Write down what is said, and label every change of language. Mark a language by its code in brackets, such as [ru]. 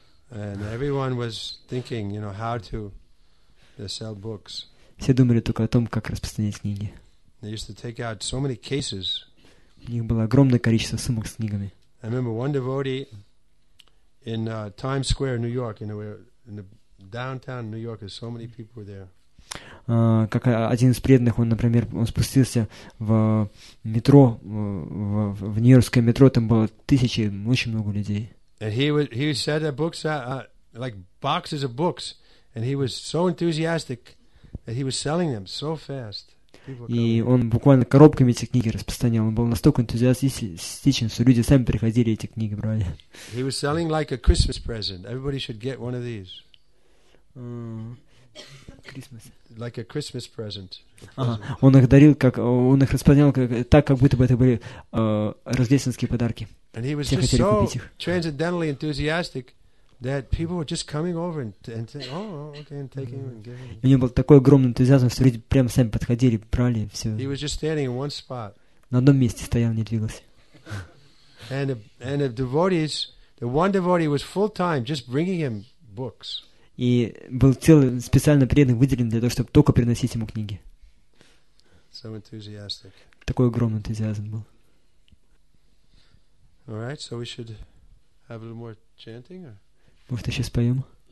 [en] And everyone was thinking, you know, how to sell books. [ru] Все думали только о том, как распространять книги. [en] They used to take out so many cases. [ru] У них было огромное количество сумок с книгами. [en] I remember one devotee in Times Square, New York, in the downtown New York, so many people were there. [ru] Как один из преданных, он спустился в метро в нью-йоркское метро, там было тысячи, очень много людей. [en] And he said that books are like boxes of books, and he was so enthusiastic that he was selling them so fast. [ru] И он буквально коробками эти книги распространял. Он был настолько энтузиастичен, что люди сами приходили, эти книги брали. [en] He was selling like a Christmas present. Everybody should get one of these. Christmas. Like a Christmas present. [ru] Он их дарил, как он их распространял, так как будто бы это были рождественские подарки. [en] And he was just so transcendentally enthusiastic. That people were just coming over and saying, "Oh, okay," and taking and giving. [ru] У него был такой огромный энтузиазм, что люди прямо сами подходили, брали все. [en] He was just standing in one spot. [ru] На одном месте стоял, не двигался. [en] And the devotees, the one devotee was full time, just bringing him books. [ru] И был целый специально преданный выделен для того, чтобы только приносить ему книги. [en] So enthusiastic. [ru] Такой огромный энтузиазм был. [en] All right, so we should have a little more chanting? Or? [ru] Может, еще споем?